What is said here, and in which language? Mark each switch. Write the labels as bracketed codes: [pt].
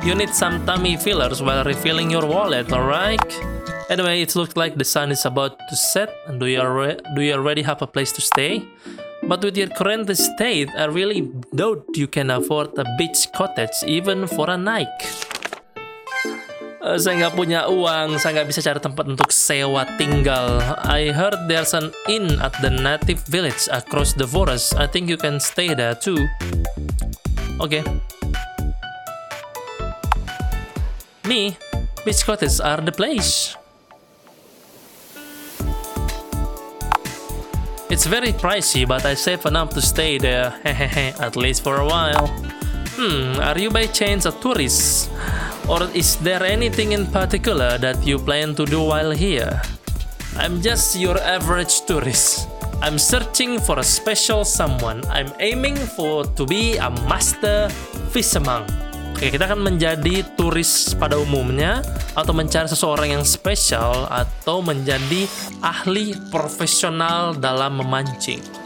[en] You need some tummy fillers while refilling your wallet, alright? Anyway, it looks like the sun is about to set. Do you already have a place to stay? But with your current state, I really doubt you can afford a beach cottage even for a night. [id] Saya nggak punya uang. Saya nggak bisa cari tempat untuk sewa tinggal. [en] I heard there's an inn at the native village across the forest. I think you can stay there too. Okay. Me, beach cottages are the place. It's very pricey, but I save enough to stay there, at least for a while. Are you by chance a tourist? Or is there anything in particular that you plan to do while here? I'm just your average tourist. I'm searching for a special someone. I'm aiming for to be a master fisherman. [id] Oke, kita akan menjadi turis pada umumnya atau mencari seseorang yang spesial atau menjadi ahli profesional dalam memancing.